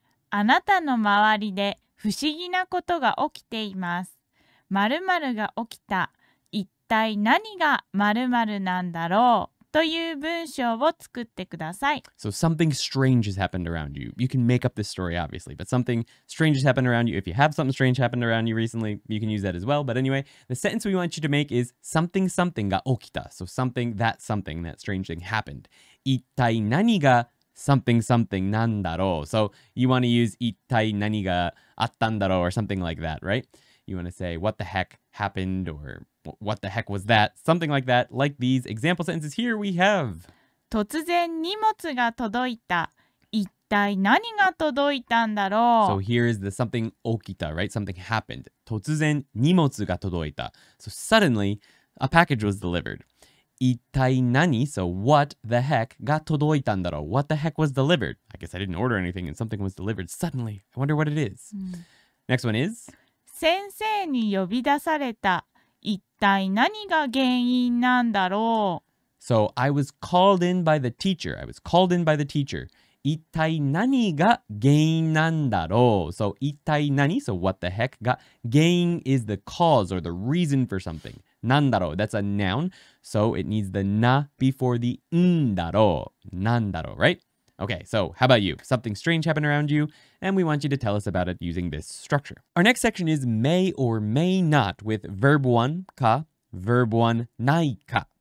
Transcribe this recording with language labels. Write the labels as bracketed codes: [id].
[ja] あなたの周りで不思議なことが起きています。〇〇が起きた。一体何が〇〇なんだろうという文章を作ってください。 [en] So something strange has happened around you. You can make up this story, obviously. But something strange has happened around you. If you have something strange happened around you recently, you can use that as well. But anyway, the sentence we want you to make is something something [ja] が起きた. [en] So something, that strange thing happened. [ja] 一体何が [en] something something [ja] なんだろう? [en] So you want to use [ja] 一体何があったんだろう? [en] Or something like that, right? You want to say, what the heck happened, or what the heck was that? Something like that, like these example sentences here we have. [ja] 突然荷物が届いた。一体何が届いたんだろう? [en] So here is the something [ja] 起きた, [en] right? Something happened. [ja] 突然荷物が届いた。 [en] So suddenly, a package was delivered. [ja] 一体何, [en] so what the heck, [ja] が届いたんだろう? [en] What the heck was delivered? I guess I didn't order anything and something was delivered suddenly. I wonder what it is. Next one is... [ja] 先生に呼び出された。一体何が原因なんだろう? [en] So, I was called in by the teacher. I was called in by the teacher. [ja] 一体何が原因なんだろう? [en] So, [ja] 一体何? [en] So, what the heck? [ja] が原因 [en] is the cause or the reason for something. [ja] なんだろう? [en] That's a noun. So, it needs the na before the [ja] んだろう. [en] なんだろう, right? Okay, so how about you? Something strange happened around you? And we want you to tell us about it using this structure. Our next section is may or may not with verb 1 ka, verb 1 nai ka.